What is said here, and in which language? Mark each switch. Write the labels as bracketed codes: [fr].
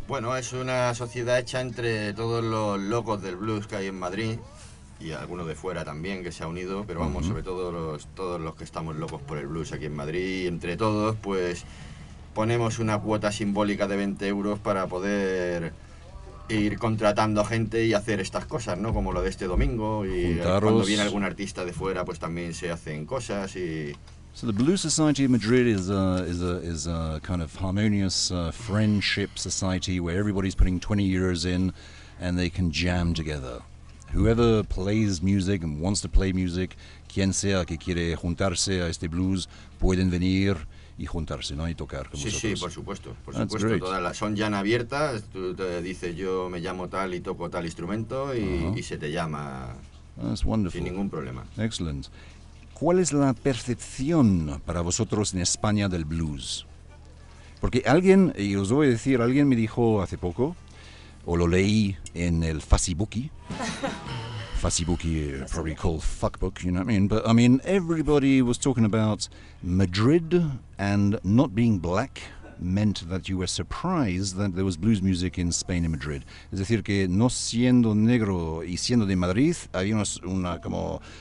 [es] Bueno, es una sociedad hecha entre todos los locos del blues que hay en Madrid y algunos de fuera también que se ha unido, pero vamos, sobre todo todos los que estamos locos por el blues aquí en Madrid, y entre todos, pues ponemos una cuota simbólica de 20 euros para poder ir contratando gente y hacer estas cosas, ¿no? Como lo de este domingo, y juntaros. Cuando viene algún artista de fuera, pues también se hacen cosas y... [en] So the Blues Society of Madrid is a kind of harmonious friendship society where everybody's putting 20 euros in and they can jam together. Whoever plays music and wants to play music, [es] quien sea que quiere juntarse a este blues, pueden venir y juntarse, ¿no? Y tocar con vosotros. Sí, sí, por supuesto. Todas las son ya abiertas. Tú te dices, yo me llamo tal y toco tal instrumento y, y se te llama. [en] That's wonderful. [es] Sin ningún problema. [en] Excellent. [es] ¿Cuál es la percepción para vosotros en España del blues? Porque alguien, y os voy a decir, alguien me dijo hace poco, o lo leí en el Fuzzybook, [en] probably called Fuckbook, you know what I mean? But I mean, everybody was talking about Madrid and not being black meant that you were surprised that there was blues music in Spain and Madrid. [es] Es decir, que no siendo negro y siendo de Madrid, había una como...